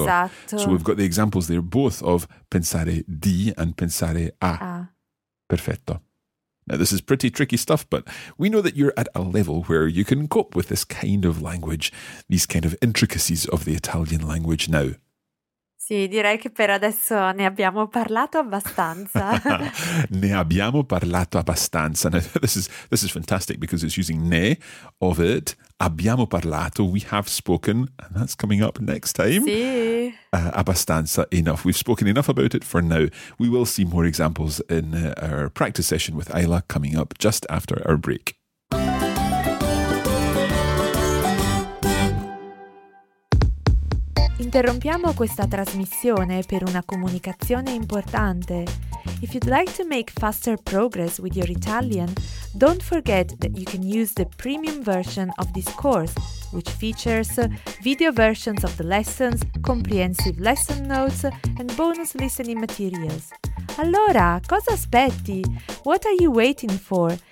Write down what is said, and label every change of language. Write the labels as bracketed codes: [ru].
[it] Esatto. [en] So we've got the examples there, both of pensare di and pensare a. [it] Perfetto. [en] Now, this is pretty tricky stuff, but we know that you're at a level where you can cope with this kind of language, these kind of intricacies of the Italian language now. [it] Sì, direi che per adesso ne abbiamo parlato abbastanza. Ne abbiamo parlato abbastanza. [en] Now, this is fantastic because it's using ne of it. [it] Abbiamo parlato, [en] we have spoken, and that's coming up next time. [it] Sì. [en] Abbastanza, enough. We've spoken enough about it for now. We will see more examples in our practice session with Ayla coming up just after our break. [it] Interrompiamo questa trasmissione per una comunicazione importante. [en] If you'd like to make faster progress with your Italian, don't forget that you can use the premium version of this course, which features video versions of the lessons, comprehensive lesson notes, and bonus listening materials. [it] Allora, cosa aspetti? [en] What are you waiting for?